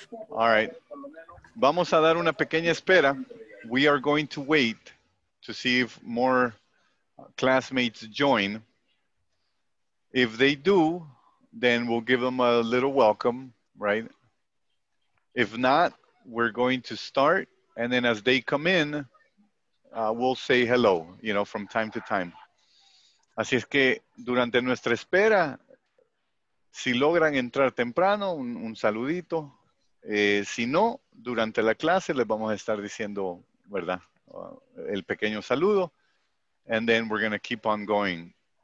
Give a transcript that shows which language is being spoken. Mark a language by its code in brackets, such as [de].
[en] All right. [es] Vamos a dar una pequeña espera. [en] We are going to wait to see if more classmates join. If they do, then we'll give them a little welcome, right? If not, we're going to start. And then as they come in, we'll say hello, you know, from time to time. [es] Así es que durante nuestra espera, si logran entrar temprano, un saludito. Si no, durante la clase les vamos a estar diciendo, ¿verdad? El pequeño saludo. [en] And then we're going to keep on going.